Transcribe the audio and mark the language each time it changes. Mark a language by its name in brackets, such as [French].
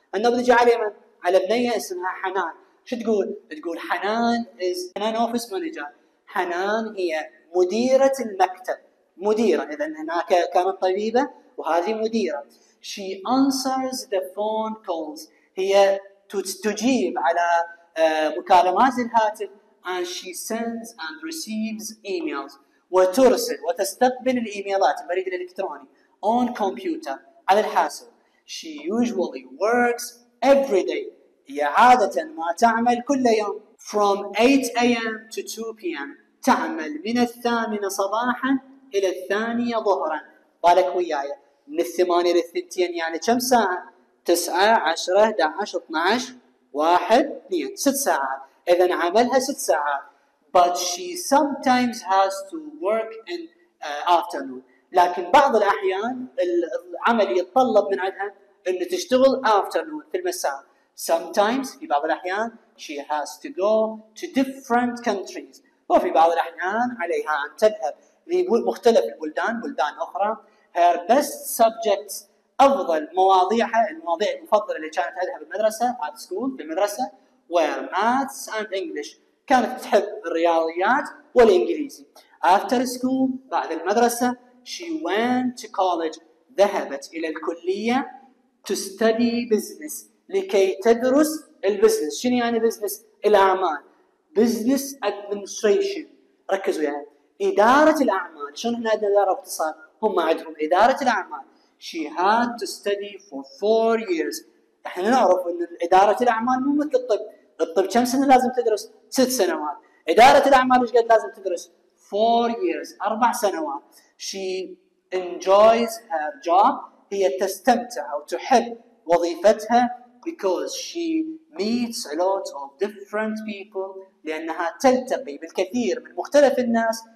[Arabic] النبض يجي على من؟ على بنية اسمها حنان. شو تقول؟ تقول حنان [English] is an office manager. [Arabic] حنان هي مديرة المكتب. مديرة، إذا هناك كانت طبيبة وهذه مديرة. [English] she answers the phone calls، [Arabic] هي تجيب على مكالمات الهاتف. [English] and she sends and receives emails، [Arabic] وترسل وتستقبل الإيميلات، البريد الإلكتروني، [English] on computer، [Arabic] على الحاسب. [English] she usually works every day، [Arabic] هي عادة ما تعمل كل يوم. [English] from 8 a.m. to 2 p.m. [Arabic] تعمل من 8 صباحا إلى 2 ظهرا. بالك وياي، من 8 إلى 2 يعني كم ساعة؟ 9, 10, 11, 12, 1, 2، 6 ساعات. إذن عملها 6 ساعات. [English] but she sometimes has to work in afternoon، [Arabic] لكن بعض الأحيان العمل يتطلب من عندها أن تشتغل afternoon في المساء. sometimes في بعض الأحيان [English] she has to go to different countries، [Arabic] وفي بعض الأحيان عليها أن تذهب لمختلف البلدان، بلدان أخرى. [English] her best subjects، [Arabic] أفضل مواضيعها، المواضيع المفضلة اللي كانت عندها بالمدرسة، [English] at school، [Arabic] في المدرسة، [English] were maths and English، [Arabic] كانت تحب الرياضيات والإنجليزي. [English] After school, [Arabic] بعد المدرسة, [English] she went to college. [Arabic] ذهبت إلى الكلية [English] to study business. [Arabic] لكي تدرس البزنس. شنو يعني بزنس؟ الأعمال. Business administration. ركزوا يعني. إدارة الأعمال. شنو هنا عندنا دار اقتصاد؟ هم عندهم إدارة الأعمال. [English] She had to study for 4 years. [Arabic] إحنا نعرف أن إدارة الأعمال مو مثل الطب. الطب كم سنة لازم تدرس؟ 6 سنوات. إدارة الأعمال إيش قد لازم تدرس؟ 4 years. [English] 4 سنوات. She enjoys her job. [Arabic] هي تستمتع أو تحب وظيفتها [English] because she meets a lot of different people. [Arabic] لأنها تلتقي بالكثير من مختلف الناس.